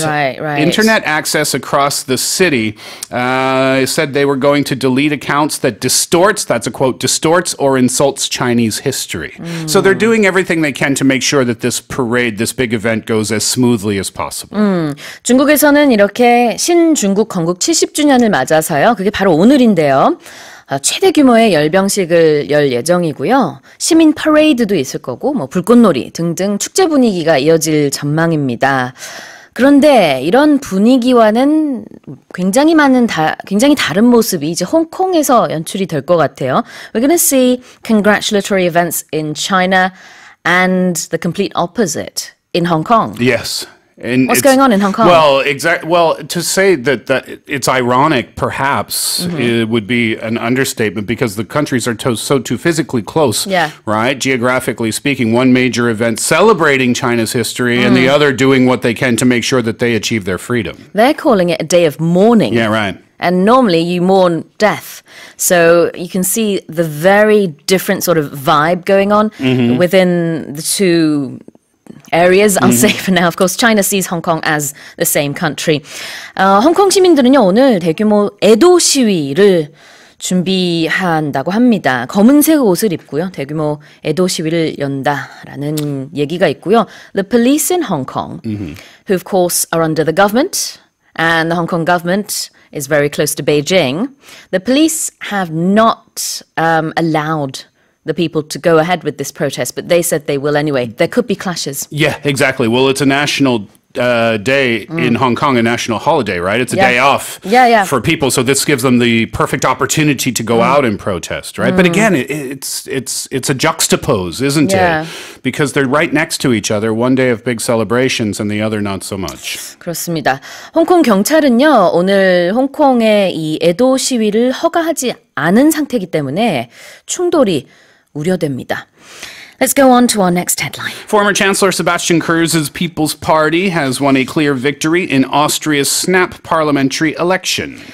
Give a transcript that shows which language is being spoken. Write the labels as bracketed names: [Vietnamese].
[English] Right, right. Internet access across the city, said they were going to delete accounts that distorts, that's a quote, distorts or insults Chinese history. So they're doing everything they can to make sure that this parade, this big event, goes as smoothly as possible. [Korean] 중국에서는 이렇게 신중국 건국 70주년을 맞아서요. 그게 바로 오늘인데요. 최대 규모의 열병식을 열 예정이고요. 시민 퍼레이드도 있을 거고 뭐 불꽃놀이 등등 축제 분위기가 이어질 전망입니다. 그런데 이런 분위기와는 굉장히 많은 굉장히 다른 모습이 이제 홍콩에서 연출이 될 것 같아요. [English] We're going to see congratulatory events in China and the complete opposite. In Hong Kong? Yes. And what's going on in Hong Kong? Well, to say that it's ironic, perhaps, it would be an understatement, because the countries are so physically close, right? Geographically speaking, one major event celebrating China's history and the other doing what they can to make sure that they achieve their freedom. They're calling it a day of mourning. Yeah, right. And normally you mourn death. So you can see the very different sort of vibe going on within the two areas, I'll say for now. Of course, China sees Hong Kong as the same country. [Korean] Hong Kong 시민들은요, 오늘 대규모 애도 시위를 준비한다고 합니다. 검은색 옷을 입고요, 대규모 애도 시위를 연다라는 얘기가 있고요. [English] The police in Hong Kong, who of course are under the government, and the Hong Kong government is very close to Beijing, the police have not allowed the people to go ahead with this protest, but they said they will anyway. There could be clashes. Yeah, exactly. Well, it's a national day in Hong Kong, a national holiday, right? It's a day off for people, so this gives them the perfect opportunity to go out and protest, right? But again, it's a juxtapose, isn't it? Because they're right next to each other, one day of big celebrations and the other not so much. [Korean] 그렇습니다. 홍콩 경찰은요, 오늘 홍콩의 이 애도 시위를 허가하지 않은 상태이기 때문에 충돌이 우려됩니다. [English] Let's go on to our next headline. Former Chancellor Sebastian Kurz's People's Party has won a clear victory in Austria's snap parliamentary election.